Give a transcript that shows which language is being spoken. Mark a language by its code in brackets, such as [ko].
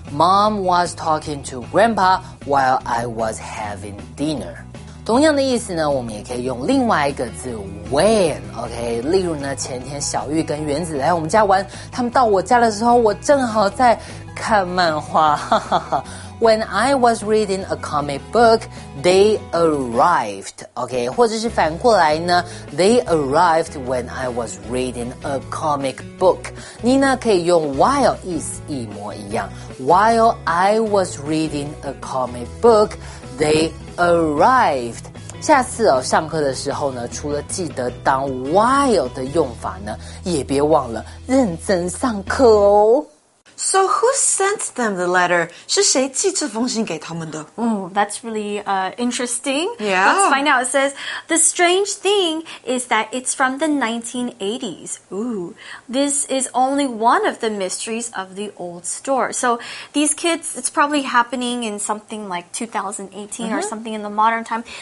[en] Mom was talking to Grandpa while I was having dinner. [zh] 同样的意思呢，我们也可以用另外一个字 when。 OK， 例如呢，前天小玉跟原子来我们家玩，他们到我家的时候，我正好在看漫画。 [en] When I was reading a comic book, they arrived. OK， [zh] 或者是反过来呢， [en] They arrived when I was reading a comic book. [zh] 你呢可以用 while， 意思一模一样。 [en] While I was reading a comic book, they arrived. [zh] 下次哦，上课的时候呢，除了记得当 while 的用法呢，也别忘了认真上课哦。 [en] So who sent them the letter? [zh] 是谁寄这封信给他们的？ [en] That's really interesting. Yeah. Let's find out. It says, the strange thing is that it's from the 1980s. Ooh. This is only one of the mysteries of the old store. So these kids, it's probably happening in something like 2018 or something in the modern time.